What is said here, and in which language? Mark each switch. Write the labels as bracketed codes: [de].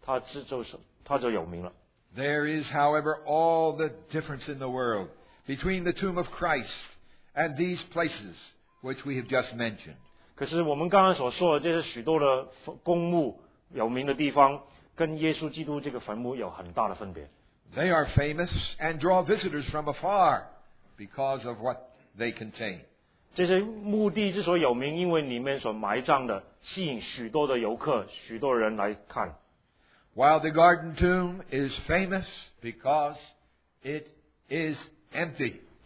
[zh] 美国的阿灵顿公墓里面埋葬了许多在美国历史上有贡献有名的人物，他就有名了。 [en] There is, however, all the difference in the world between the tomb of Christ and these places which we have just mentioned. [zh] 可是我们刚刚所说的这些许多的公墓有名的地方， 跟耶稣基督这个坟墓有很大的分别。 [en] They are famous and draw visitors from afar because of what they contain. [zh] 这些墓地之所以有名，因为里面所埋葬的，吸引许多的游客，许多人来看。 [en] While the garden tomb is famous because it is empty.